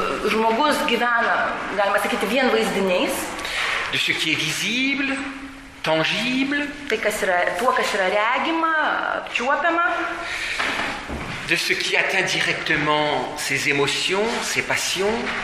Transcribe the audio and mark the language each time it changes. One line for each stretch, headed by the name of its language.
Lithuanian: Žmogus gyvena, galima sakyti, vien vaizdiniais.
French: De ce qui est visible, tangible.
Lithuanian: Tai kas yra, tuo kas yra regima, apčiuopiama.
French: De ce qui atteint directement ses émotions, ses passions.